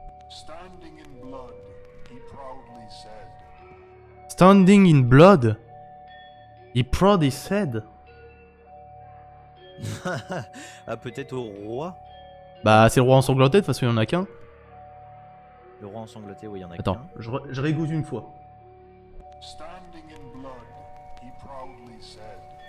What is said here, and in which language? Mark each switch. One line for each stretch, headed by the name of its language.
English: Standing in blood, he proudly said. Standing in blood, he proudly said.
French: Ah, peut-être au roi? Bah, c'est le roi ensanglanté, de toute façon, il y en a qu'un. Le roi ensanglanté, oui, il y en a attends, qu'un. Attends, je régoute une fois.
English: Standing in blood, he proudly said.